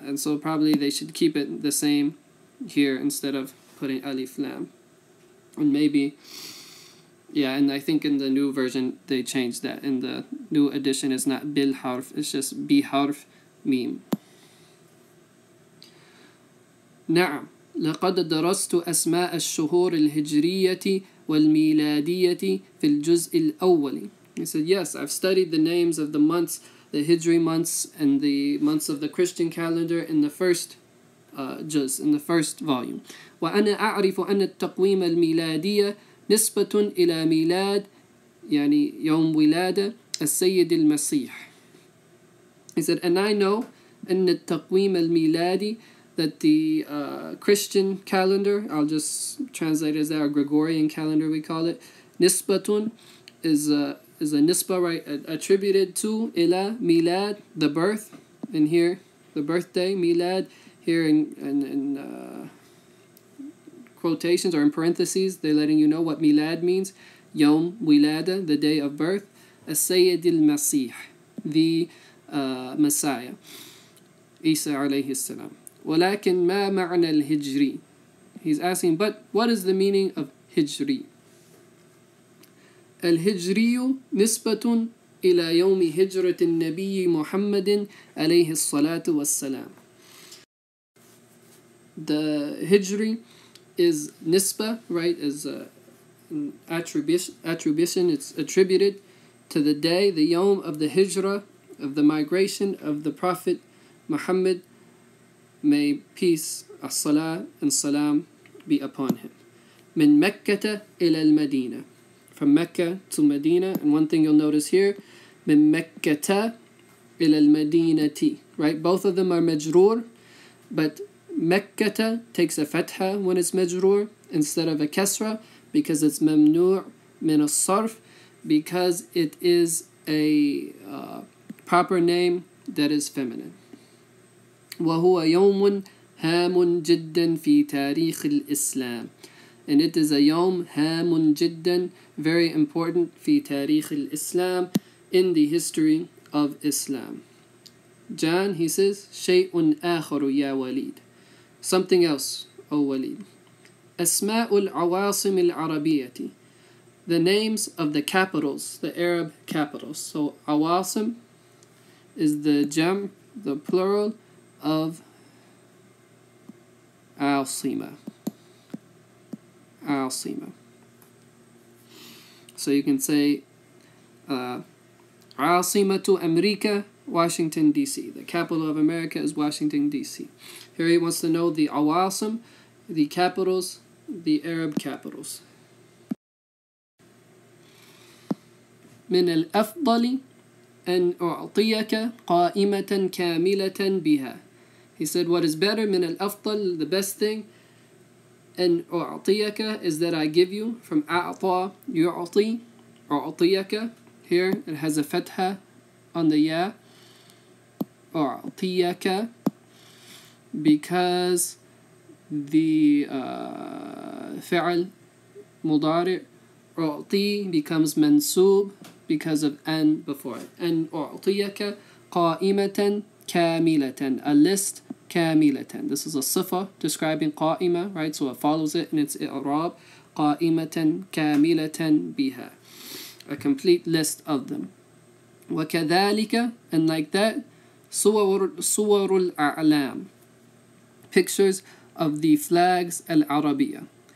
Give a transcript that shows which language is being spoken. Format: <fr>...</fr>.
<en>And so probably they should keep it the same here instead of putting alif lam. And maybe, yeah, and I think in the new version they changed that. In the new edition, it's not bil harf, it's just bi harf meme.</en> <ar>نعم لقد درست أسماء الشهور الهجرية والميلادية في الجزء الأول.</ar> <en>He said, yes, I've studied the names of the months, the Hijri months, and the months of the Christian calendar in the first juz, in the first volume.</en> <ar>وأنا أعرف أن التقويم الميلادي نسبة إلى ميلاد, يعني يوم ولادة السيد المسيح.</ar> <en>He said, and I know</en> <ar>أن التقويم الميلادي,</ar> <en>that the Christian calendar, I'll just translate it as our Gregorian calendar, we call it, nisbatun, is a nisbah, right, attributed to, ila, milad, the birth, and here, the birthday, milad, here in quotations or in parentheses, they're letting you know what milad means, yom wilada, the day of birth, as-sayyid al-masih, the Messiah, Isa alayhi salam.</en> <ar>ولكن ما معنى الهجري?</ar> <en>He's asking, but what is the meaning of هجري?</en> <ar>الهجري نسبة إلى يوم هجرة النبي محمد عليه الصلاة والسلام.</ar> <en>The هجري is نسبة, right? Is an attribution. It's attributed to the day, the يوم of the هجرة, of the migration of the Prophet Muhammad, may peace, as-salah and salam be upon him.</en> <ar>من مكة إلى المدينة.</ar> <en>From Mecca to Medina. And one thing you'll notice here,</en> <ar>من مكة إلى المدينة.</ar> <en>Right? Both of them are مجرور. But مكة takes a fatha when it's مجرور instead of a كسرة because it's ممنوع من الصرف, because it is a proper name that is feminine.</en> <ar>وَهُوَ يَوْمٌ هَامٌ جِدًّا فِي تَارِيخِ الْإِسْلَامِ.</ar> <en>And it is a</en> <ar>يَوْم هَامٌ جِدًّا,</ar> <en>very important,</en> <ar>فِي تَارِيخِ الْإِسْلَامِ,</ar> <en>in the history of Islam. John, he says,</en> <ar>شَيْءٌ آخَرُ يَا وَلِيدٌ.</ar> <en>Something else, O Walid.</en> <ar>أَسْمَاءُ الْعَوَاصِمِ الْعَرَبِيَةِ.</ar> <en>The names of the capitals, the Arab capitals. So, عَوَاصِم is the jam, the plural, of Al-Sima. Al-Sima. So you can say Al-Sima to America, Washington, D.C. The capital of America is Washington, D.C. Here he wants to know the Awasim, the capitals, the Arab capitals.</en> <ar>من الأفضل أن أعطيك قائمة كاملة بها.</ar> <en>He said, what is better, min al-afdal, the best thing, and u'atiyaka, is that I give you, from a'ta, yu'ati, u'atiyaka, here, it has a fatha on the ya, u'atiyaka, because the fi'al, mudari', u'ati, becomes mansub, because of an before it, and u'atiyaka,</en> <ar>قَائِمَةً كَامِلَةً,</ar> <en>a list</en> <ar>كَامِلَةً.</ar> <en>This is a sifa describing قَائِمَة, right? So it follows it in its i'rab.</en> <ar>قَائِمَةً كَامِلَةً بِهَا,</ar> <en>a complete list of them.</en> <ar>وَكَذَلِكَ,</ar> <en>and like that,</en> <ar>صُوَرُ الْأَعْلَامِ,</ar> <en>pictures of the flags al-Arabiya.</en>